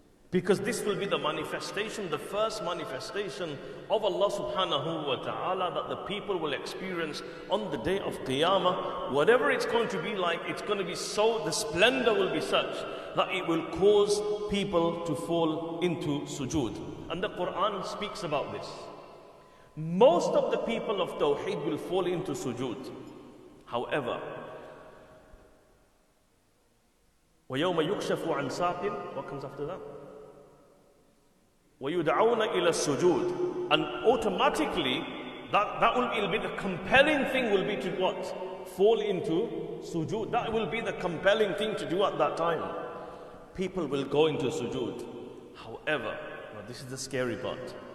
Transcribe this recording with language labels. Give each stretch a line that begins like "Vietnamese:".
English: Because this will be the manifestation, the first manifestation of Allah subhanahu wa ta'ala that the people will experience on the day of Qiyamah. Whatever it's going to be like, it's going to be so, the splendor will be such that it will cause people to fall into sujood. And the Quran speaks about this. Most of the people of Tawheed will fall into sujood. However,
Arabic: وَيَوْمَ يُكْشَفُ عَنْ سَاقٍ.
English: What comes after that?
Arabic: وَيُدْعَوْنَ إِلَى السُّجُودِ.
English: And automatically, that will be the compelling thing will be to what? Fall into sujood. That will be the compelling thing to do at that time. People will go into sujood. However, now this is the scary part.